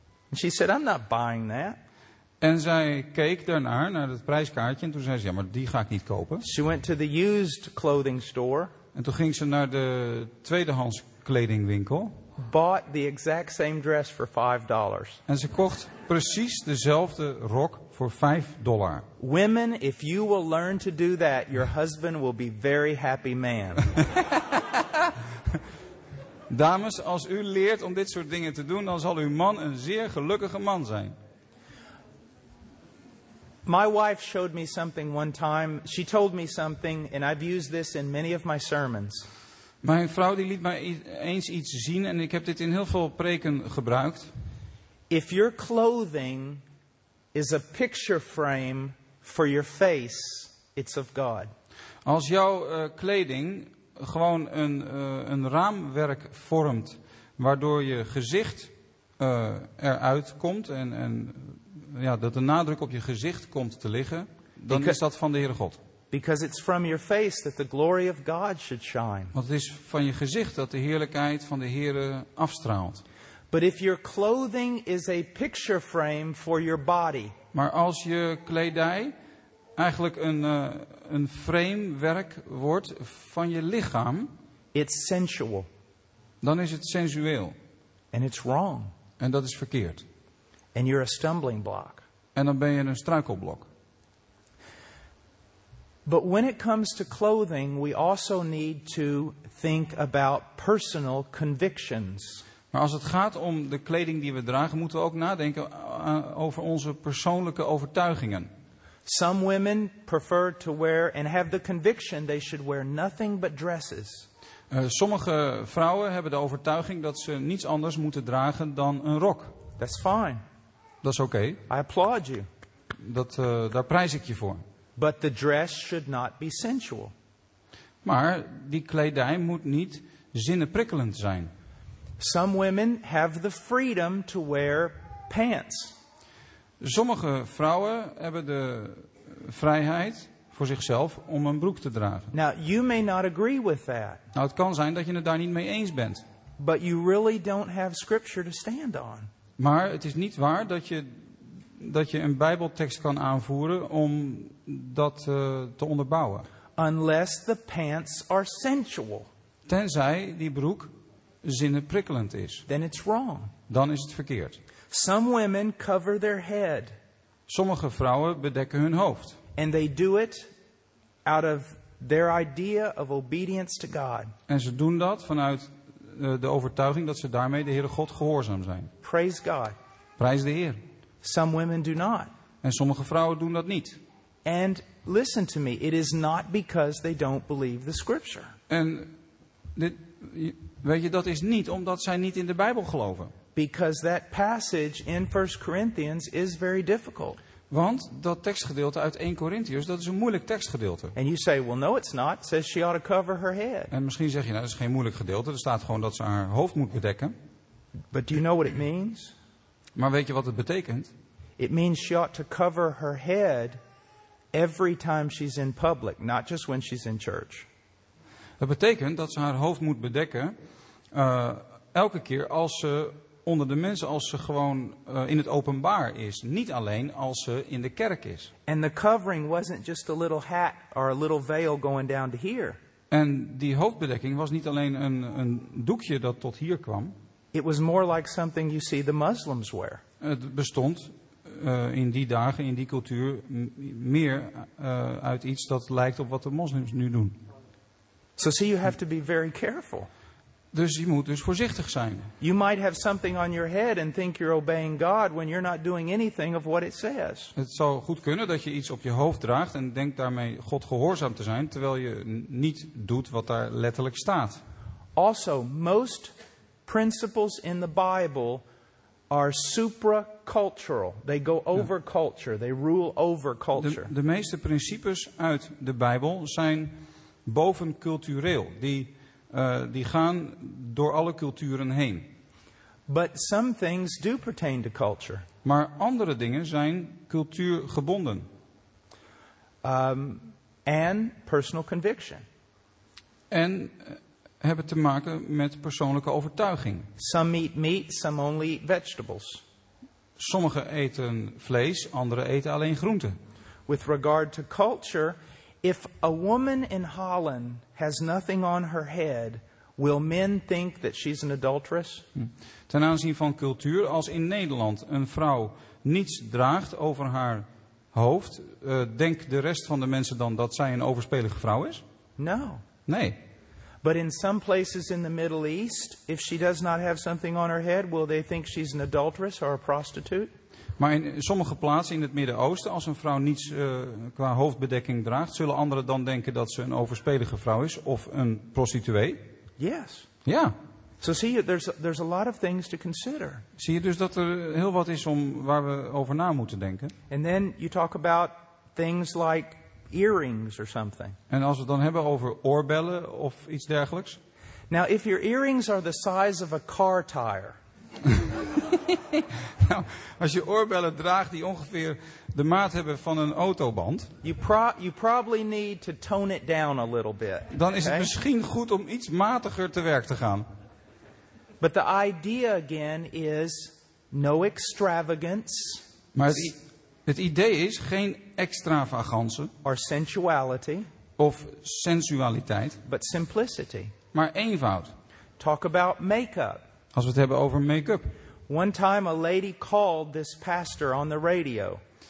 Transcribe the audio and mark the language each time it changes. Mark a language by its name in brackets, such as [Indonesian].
[English] And she said, I'm not buying that. [Dutch] En zij keek daarnaar, naar het prijskaartje. En toen zei ze, ja, maar die ga ik niet kopen. [English] She went to the used clothing store. [Dutch] En toen ging ze naar de tweedehands kledingwinkel. [English] Bought the exact same dress for $5. [Dutch] En ze kocht precies dezelfde rok voor $5. [English] Women, if you will learn to do that, your husband will be very happy man. [Dutch] Dames, als u leert om dit soort dingen te doen, dan zal uw man een zeer gelukkige man zijn. [English] My wife showed me something one time. She told me something, and I've used this in many of my sermons. [Dutch] Mijn vrouw die liet mij eens iets zien en ik heb dit in heel veel preken gebruikt. [English] If your clothing is a picture frame for your face, it's of God. [Dutch] Als jouw kleding gewoon een raamwerk vormt waardoor je gezicht eruit komt en ja, dat de nadruk op je gezicht komt te liggen, dan is dat van de Heere God. [English] Because it's from your face that the glory of God should shine. [Dutch] Want het is van je gezicht dat de heerlijkheid van de Heere afstraalt. [English] But if your clothing is a picture frame for your body. [Dutch] Maar als je kledij eigenlijk een framewerk wordt van je lichaam. [English] It's sensual. [Dutch] Dan is het sensueel. [English] And it's wrong. [Dutch] En dat is verkeerd. [English] And you're a stumbling block. [Dutch] En dan ben je een struikelblok. [English] But when it comes to clothing, we also need to think about personal convictions. [Dutch] Maar als het gaat om de kleding die we dragen, moeten we ook nadenken over onze persoonlijke overtuigingen. [English] Some women prefer to wear and have the conviction they should wear nothing but dresses. [Dutch] Sommige vrouwen hebben de overtuiging dat ze niets anders moeten dragen dan een rok. [English] That's fine. [Dutch] Dat is oké. [English] I applaud you. [Dutch] Daar prijs ik je voor. [English] But the dress should not be sensual. [Dutch] Maar die kledij moet niet zinnenprikkelend zijn. [English] Some women have the freedom to wear pants. [Dutch] Sommige vrouwen hebben de vrijheid voor zichzelf om een broek te dragen. [English] Now you may not agree with that. [Dutch] Nou, het kan zijn dat je het daar niet mee eens bent. [English] But you really don't have scripture to stand on. [Dutch] Maar het is niet waar dat je een Bijbeltekst kan aanvoeren om dat te onderbouwen. [English] Unless the pants are sensual. [Dutch] Tenzij die broek zinnenprikkelend is. [English] Then it's wrong. [Dutch] Dan is het verkeerd. [English] Some women cover their head. [Dutch] Sommige vrouwen bedekken hun hoofd. [English] And they do it out of their idea of obedience to God. [Dutch] En ze doen dat vanuit de overtuiging dat ze daarmee de Heere God gehoorzaam zijn. [English] Praise God. [Dutch] Prijs de Heer. [English] Some women do not. [Dutch] En sommige vrouwen doen dat niet. [English] And listen to me, it is not because they don't believe the scripture. [Dutch] En dit, weet je, dat is niet omdat zij niet in de Bijbel geloven. [English] Because that passage in 1 Corinthians is very difficult. [Dutch] Want dat tekstgedeelte uit 1 Corinthians, dat is een moeilijk tekstgedeelte. [English] And you say, well, no, it's not. It says she ought to cover her head. [Dutch] En misschien zeg je, nou, dat is geen moeilijk gedeelte. Er staat gewoon dat ze haar hoofd moet bedekken. [English] But do you know what it means? [Dutch] Maar weet je wat het betekent? [English] It means she ought to cover her head every time she's in public, not just when she's in church. [Dutch] Dat betekent dat ze haar hoofd moet bedekken elke keer als ze onder de mensen, als ze gewoon in het openbaar is, niet alleen als ze in de kerk is. [English] And the covering wasn't just a little hat or a little veil going down to here. [Dutch] En die hoofdbedekking was niet alleen een doekje dat tot hier kwam. [English] It was more like something you see the Muslims wear. [Dutch] Het bestond in die dagen, in die cultuur, meer uit iets dat lijkt op wat de moslims nu doen. [English] So see, you have to be very careful. [Dutch] Dus je moet dus voorzichtig zijn. [English] You might have something on your head and think you're obeying God when you're not doing anything of what it says. [Dutch] Het zou goed kunnen dat je iets op je hoofd draagt en denkt daarmee God gehoorzaam te zijn, terwijl je niet doet wat daar letterlijk staat. [English] Also, most principles in the Bible are supra-cultural. They go over culture. They rule over culture. [Dutch] De meeste principes uit de Bijbel zijn bovencultureel. Die gaan door alle culturen heen. [English] But some things do pertain to culture. [Dutch] Maar andere dingen zijn cultuurgebonden. [English] And personal conviction. [Dutch] En hebben te maken met persoonlijke overtuiging. [English] Some eat meat, some only eat vegetables. [Dutch] Sommigen eten vlees, anderen eten alleen groenten. [English] With regard to culture, if a woman in Holland has nothing on her head, will men think that she's an adulteress? [Dutch] Ten aanzien van cultuur, als in Nederland een vrouw niets draagt over haar hoofd, denkt de rest van de mensen dan dat zij een overspelige vrouw is? [English] No. [Dutch] Nee. [English] But in some places in the Middle East, if she does not have something on her head, will they think she's an adulteress or a prostitute? [Dutch] Maar in sommige plaatsen in het Midden-Oosten, als een vrouw niets qua hoofdbedekking draagt, zullen anderen dan denken dat ze een overspelige vrouw is of een prostituee? [English] Yes. [Dutch] Ja. [English] So see, there's a lot of things to consider. [Dutch] Zie je dus dat er heel wat is om waar we over na moeten denken? [English] And then you talk about things like earrings or something. [Dutch] En als we het dan hebben over oorbellen of iets dergelijks? [English] Now, if your earrings are the size of a car tire. [Dutch] Nou, als je oorbellen draagt die ongeveer de maat hebben van een autoband, [English] you probably need to tone it down a little bit. Okay? [Dutch] Dan is het misschien goed om iets matiger te werk te gaan. [English] But the idea again is no extravagance. [Dutch] Maar het idee is geen extravagance [English] or sensuality [Dutch] of sensualiteit, [English] but simplicity. [Dutch] Maar eenvoud. [English] Talk about make-up. [Dutch] Als we het hebben over make-up. [English] One time a lady called this pastor on the radio.